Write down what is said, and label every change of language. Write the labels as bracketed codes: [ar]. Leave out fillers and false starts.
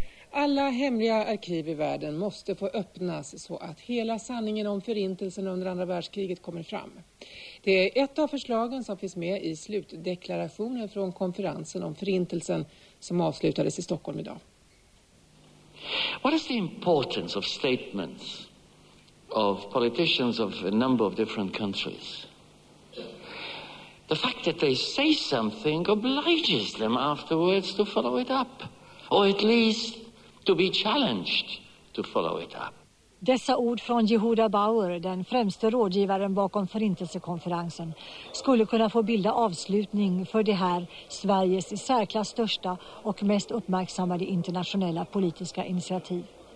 [sv] Alla hemliga arkiv i världen måste få öppnas så att hela sanningen om förintelsen under andra världskriget kommer fram. Det är ett av förslagen som finns med i slutdeklarationen från konferensen om förintelsen som avslutades i Stockholm idag. [en] What is the importance of statements of politicians of a number of different countries? The fact that they say something obliges them afterwards to follow it up. Or at least to be challenged to follow it up. [sv] Dessa ord från Yehuda Bauer, den främste rådgivaren bakom förintelsekonferensen, skulle kunna få bilda avslutning för det här Sveriges i särklass största och mest uppmärksammade internationella politiska initiativ.